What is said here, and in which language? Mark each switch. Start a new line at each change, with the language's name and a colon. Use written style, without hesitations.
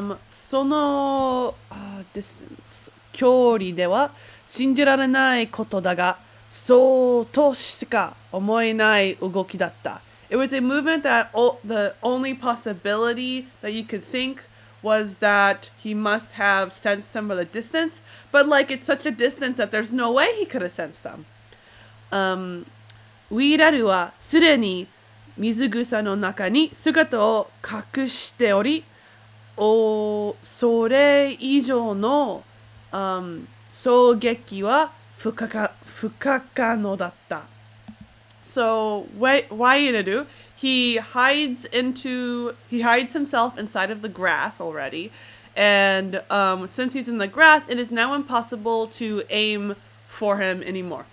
Japanese: そのディスタンス距離では信じられないことだが、そうとしか思えない動きだった。
English: It was a movement that the only possibility that you could think was that he must have sensed them at a distance, but like it's such a distance that there's no way he could have sensed them.
Japanese: ウィーラルはすでに水草の中に姿を隠しており、それ以上の衝撃は不可能だった。
English: So, Wairaru, he hides himself inside of the grass already, and since he's in the grass, it is now impossible to aim for him anymore.